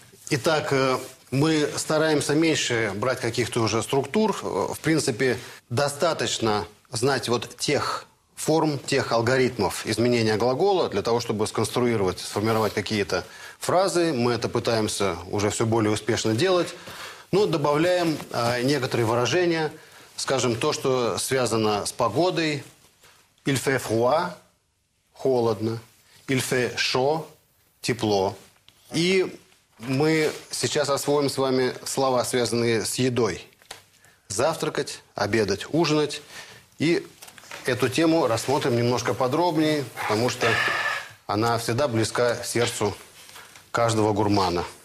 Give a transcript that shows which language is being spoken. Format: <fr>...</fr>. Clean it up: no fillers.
<ru>Итак, мы стараемся меньше брать каких-то уже структур. В принципе, достаточно знать вот тех форм, тех алгоритмов изменения глагола для того, чтобы сконструировать, сформировать какие-то фразы. Мы это пытаемся уже все более успешно делать. Но добавляем некоторые выражения. Скажем, то, что связано с погодой.</ru> <fr>«Il fait froid» –</fr> <ru>холодно.</ru> <fr>«Il fait chaud» –</fr> <ru>тепло. И мы сейчас освоим с вами слова, связанные с едой. Завтракать, обедать, ужинать. И эту тему рассмотрим немножко подробнее, потому что она всегда близка сердцу каждого гурмана.</ru>